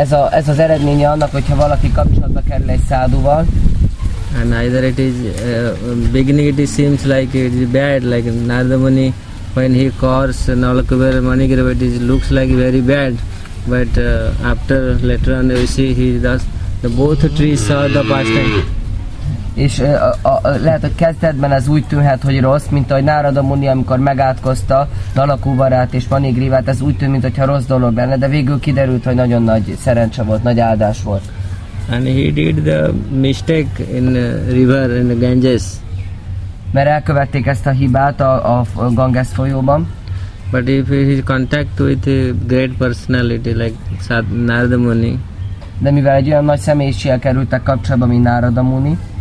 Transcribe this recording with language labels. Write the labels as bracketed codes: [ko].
[hu] Ez az eredménye annak, hogyha valaki kapcsolatba kerül egy száduval. [en] And either it is beginning it seems like it is bad, like Narada Muni when he calls Nalakubera Manigrava, it is, looks like very bad, but after later on we see he does the both trees saw the pastime. [hu] És lehet, hogy kezdetben ez úgy tűnhet, hogy rossz, mint ahogy Narada Muni, amikor megátkozta Nalakuvarát és Manigrivát, ez úgy tűnt, mintha rossz dolog lenne, de végül kiderült, hogy nagyon nagy szerencse volt, nagy áldás volt. [en] And he did the mistake in river, in the Ganges. [hu] Mert elkövették ezt a hibát a Ganges folyóban. [en] But if he contact with a great personality like Narada Muni. [hu] De mivel egy olyan nagy személyiséggel kerültek kapcsolatba, mint Narada Muni.